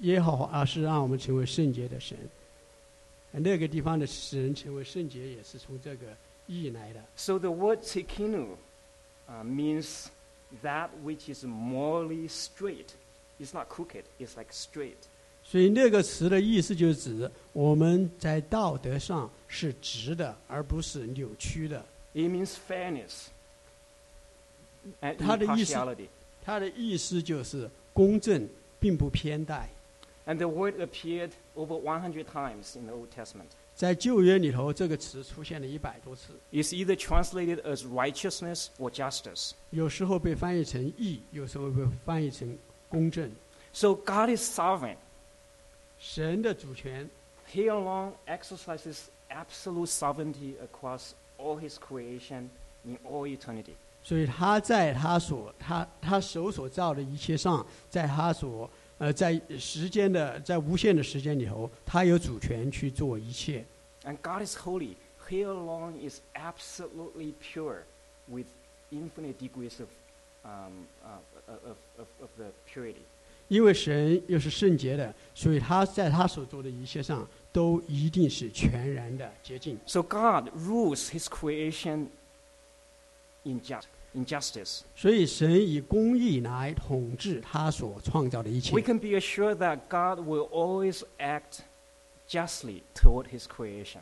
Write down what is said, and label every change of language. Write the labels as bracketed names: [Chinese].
[Chinese] 耶和华是让我们成为圣洁的神。那个地方的神成为圣洁也是从这个意义来的。 [English] So the word tzidkenu, means that which is morally straight. It's not crooked. It's like straight. [Chinese] 所以那个词的意思就是指我们在道德上是直的，而不是扭曲的。 [English] It means fairness and impartiality. [Chinese] 它的意思就是公正，并不偏待。 [English] And the word appeared over 100 times in the Old Testament. [Chinese] 在旧约里头，这个词出现了100多次。 [English] It's either translated as righteousness or justice. [Chinese] 有时候被翻译成义，有时候被翻译成公正。 [English] So God is sovereign. [Chinese] 神的主权。 [English] He alone exercises absolute sovereignty across all his creation in all eternity. [Chinese] 所以他在他手所造的一切上，在他所在时间的在无限的时间里头，他有主权去做一切。 [English] And God is holy. He alone is absolutely pure, with infinite degrees of the purity. [Chinese] 因为神又是圣洁的，所以他在他所做的一切上都一定是全然的洁净。 [English] So God rules his creation in justice. We can be assured that God will always act justly toward his creation.